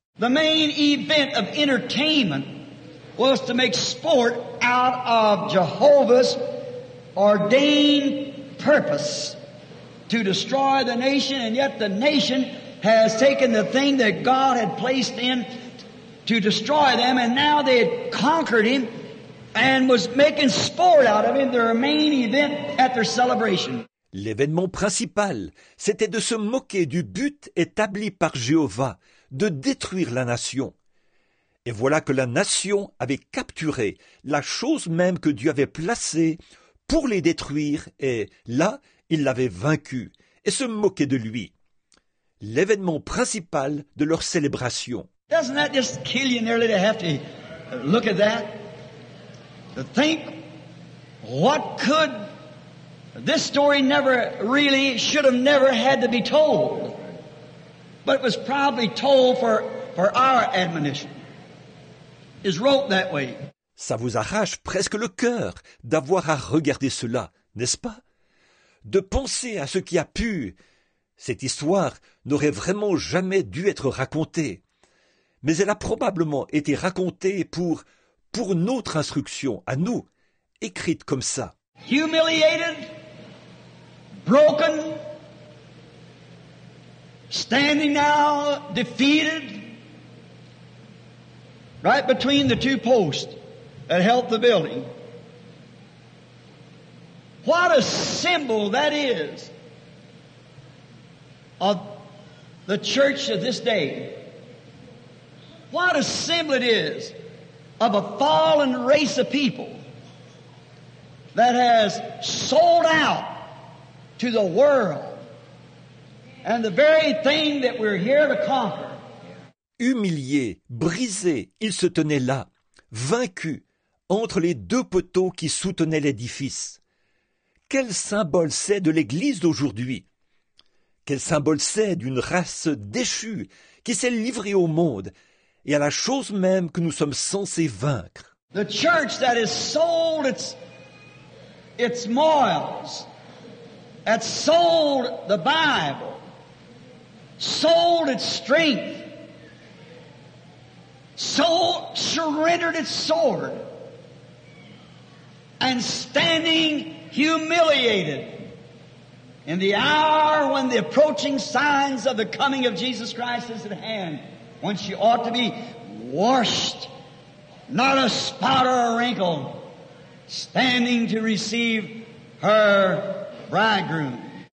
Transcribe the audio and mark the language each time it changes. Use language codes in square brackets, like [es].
[en] The main event of entertainment was to make sport out of Jehovah's ordained purpose to destroy the nation, and yet the nation has taken the thing that God had placed in to destroy them, and now they had conquered him and was making sport out of him, their main event at their celebration. [fr] L'événement principal, c'était de se moquer du but établi par Jéhovah, de détruire la nation. Et voilà que la nation avait capturé la chose même que Dieu avait placée pour les détruire, et là, ils l'avaient vaincue et se moquaient de lui. L'événement principal de leur célébration. [en] Doesn't that just kill you nearly to have to look at that? To think what could this story never really should have never had to be told. But it was probably told for our admonition. Is wrote that way. [fr] Ça vous arrache presque le cœur d'avoir à regarder cela, n'est-ce pas? De penser à ce qui a pu. Cette histoire n'aurait vraiment jamais dû être racontée. Mais elle a probablement été racontée pour notre instruction, à nous, écrite comme ça. [en] Humiliated, broken, standing now defeated, right between the two posts that held the building. What a symbol that is of the church of this day. What a symbol it is of a fallen race of people that has sold out to the world and the very thing that we're here to conquer. [fr] Humilié, brisé, il se tenait là, vaincu, entre les deux poteaux qui soutenaient l'édifice. Quel symbole c'est de l'Église d'aujourd'hui? Quel symbole c'est d'une race déchue qui s'est livrée au monde et à la chose même que nous sommes censés vaincre? [en] The church that has sold its morals, that sold the Bible, sold its strength, so surrendered its sword, and standing humiliated in the hour when the approaching signs of the coming of Jesus Christ is at hand, when she ought to be washed, not a spot or a wrinkle, standing to receive her bridegroom.